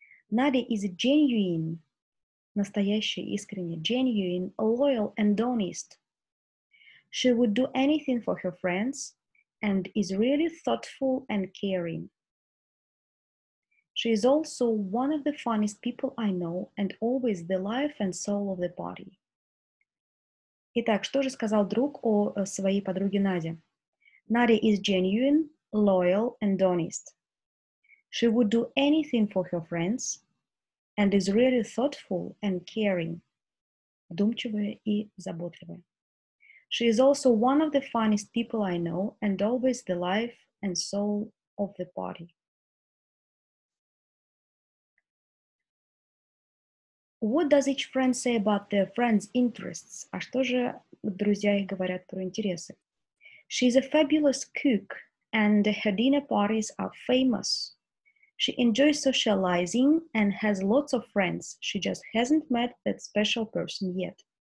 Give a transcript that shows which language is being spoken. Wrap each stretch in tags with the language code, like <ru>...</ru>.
<en>Nadia is a genuine,</en> <ru>настоящая, искренне,</ru> <en>genuine, loyal and honest. She would do anything for her friends and is really thoughtful and caring. She is also one of the funniest people I know and always the life and soul of the party.</en> <ru>Итак, что же сказал друг о своей подруге Наде?</ru> <en>Nadia is genuine, loyal and honest. She would do anything for her friends and is really thoughtful and caring.</en> <ru>Вдумчивая и заботливая.</ru> <en>She is also one of the finest people I know and always the life and soul of the party. What does each friend say about their friend's interests?</en> <ru>А что же друзья их говорят про интересы?</ru> <en>She is a fabulous cook and her dinner parties are famous. She enjoys socializing and has lots of friends. She just hasn't met that special person yet.</en>